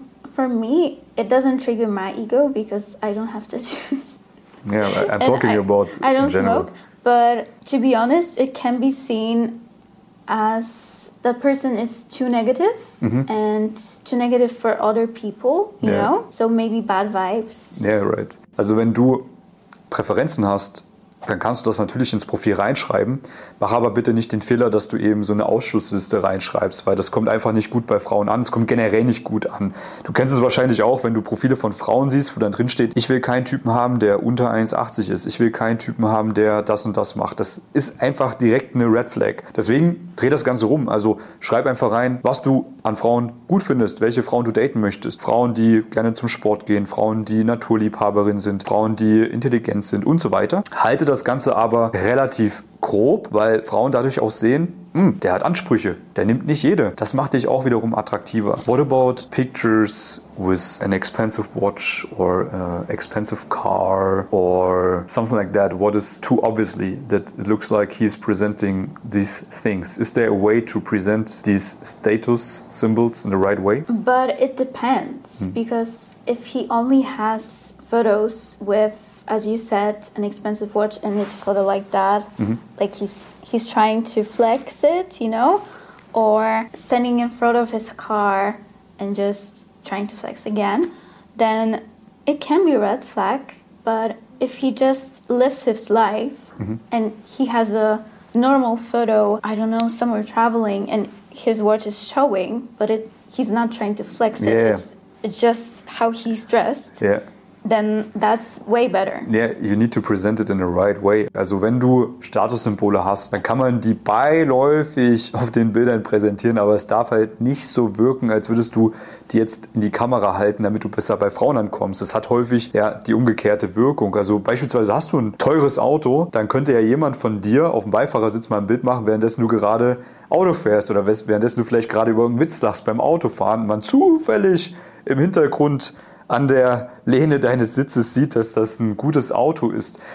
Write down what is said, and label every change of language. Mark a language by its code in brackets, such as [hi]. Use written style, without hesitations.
[en] For me, it doesn't trigger my ego because I don't have tattoos. Yeah, I'm talking about I don't smoke, but to be honest, it can be seen as that person is too negative and too negative for other people, you know? So maybe bad vibes. Yeah, right. [de] Also wenn du Präferenzen hast, dann kannst du das natürlich ins Profil reinschreiben. Mach aber bitte nicht den Fehler, dass du eben so eine Ausschlussliste reinschreibst, weil das kommt einfach nicht gut bei Frauen an. Es kommt generell nicht gut an. Du kennst es wahrscheinlich auch, wenn du Profile von Frauen siehst, wo dann drin steht, ich will keinen Typen haben, der unter 1,80 ist. Ich will keinen Typen haben, der das und das macht. Das ist einfach direkt eine Red Flag. Deswegen dreh das Ganze rum. Also schreib einfach rein, was du an Frauen gut findest, welche Frauen du daten möchtest. Frauen, die gerne zum Sport gehen, Frauen, die Naturliebhaberin sind, Frauen, die intelligent sind und so weiter. Halte das Ganze aber relativ grob, weil Frauen dadurch auch sehen, der hat Ansprüche, der nimmt nicht jede. Das macht dich auch wiederum attraktiver. [en] What about pictures with an expensive watch or expensive car or something like that? What is too obviously that it looks like he's presenting these things? Is there a way to present these status symbols in the right way? But it depends, because if he only has photos with, as you said, an expensive watch and it's a photo like that, like he's trying to flex it, you know, or standing in front of his car and just trying to flex again, then it can be a red flag. But if he just lives his life and he has a normal photo, I don't know, somewhere traveling and his watch is showing, but he's not trying to flex it. Yeah. It's just how he's dressed. Yeah. Then that's way better. Yeah, you need to present it in the right way. [de] Also wenn du Statussymbole hast, dann kann man die beiläufig auf den Bildern präsentieren, aber es darf halt nicht so wirken, als würdest du die jetzt in die Kamera halten, damit du besser bei Frauen ankommst. Das hat häufig ja die umgekehrte Wirkung. Also beispielsweise hast du ein teures Auto, dann könnte ja jemand von dir auf dem Beifahrersitz mal ein Bild machen, währenddessen du gerade Auto fährst oder währenddessen du vielleicht gerade über einen Witz lachst beim Autofahren und man zufällig im Hintergrund an der Lehne deines Sitzes sieht, dass das ein gutes Auto ist.